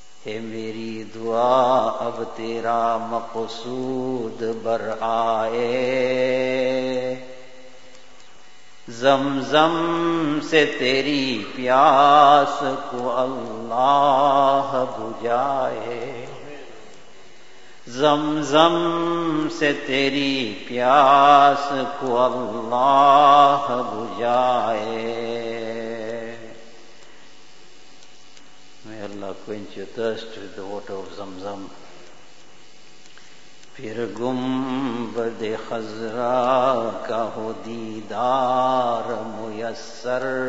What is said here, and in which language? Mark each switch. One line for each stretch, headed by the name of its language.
Urdu: اے میری دعا اب تیرا مقصود بر آئے، زمزم سے تیری پیاس کو اللہ بجھائے، زمزم سے تیری پیاس کو اللہ بجھائے.
English: May Allah quench your thirst with the water of Zamzam.
Urdu: پھر گنبد خضرا کا ہو دیدار میسر،